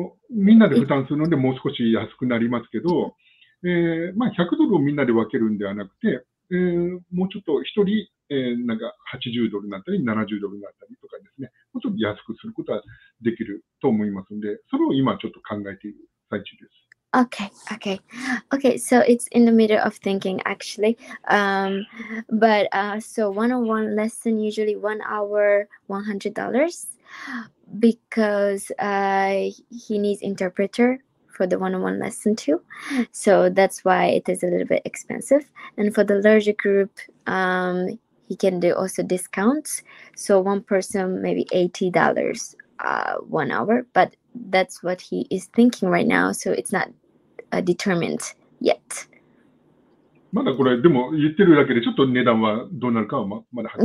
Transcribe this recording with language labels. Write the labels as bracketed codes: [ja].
[ja] みんなで負担するので、もう少し安くなりますけど、まあ、100ドルをみんなで分けるんではなくて、もうちょっと1人、なんか80ドルになったり、70ドルになったりとかですね、もうちょっと安くすることはできると思いますので、それを今ちょっと考えている最中です。 [en] Okay. So it's in the middle of thinking, actually. So one-on-one lesson, usually 1 hour, $100, because he needs interpreter for the one-on-one lesson too. So that's why it is a little bit expensive. And for the larger group, he can do also discounts. So one person, maybe $80, 1 hour. But that's what he is thinking right now. So it's not determined yet. [ja] まだこれでも言ってるだけでちょっと値段はどうなるかはまだはっき